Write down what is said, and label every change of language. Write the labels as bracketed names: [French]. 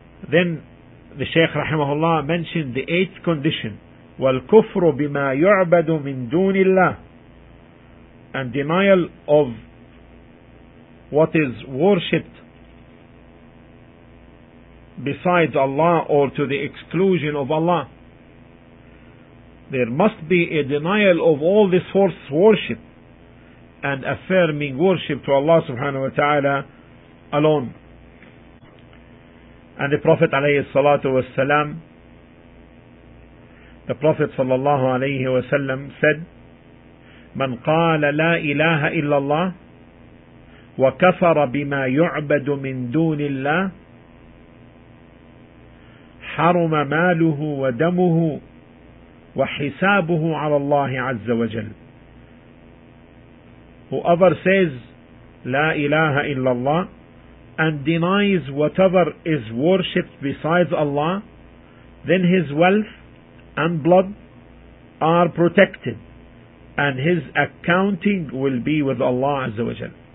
[English] Then the Shaykh rahimahullah mentioned the eighth condition, [Arabic] وَالْكُفْرُ بِمَا يُعْبَدُ مِن دُونِ اللَّهِ, [English] and denial of what is worshipped besides Allah or to the exclusion of Allah. There must be a denial of all this false worship and affirming worship to Allah subhanahu wa ta'ala alone. And the Prophet alayhi salatu wa salam, the Prophet sallallahu alayhi wa sallam said, [Arabic] من قال لا إله إلا الله وكفر بما يعبد من دون الله حرم ماله ودمه وحسابه على الله عز وجل. [English] Whoever says La ilaha illallah and denies whatever is worshipped besides Allah, then his wealth and blood are protected, and his accounting will be with Allah Azza wa Jal.